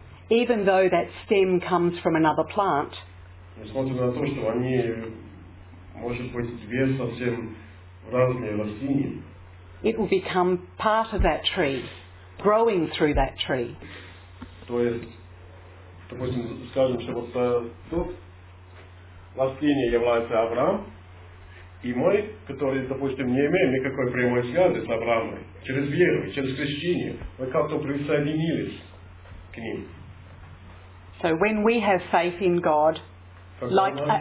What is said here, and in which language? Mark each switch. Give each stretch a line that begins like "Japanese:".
English: Even though that stem comes from another plant, it will become part of that tree, growing through that tree.
Russian: Допустим, скажем, что вот тут растение является Авраам, и мы, которые, допустим, не имеем никакой прямой связи с Авраамом, через веру, через крещение, мы как-то присоединились к ним.
English: So when we have faith in God, like,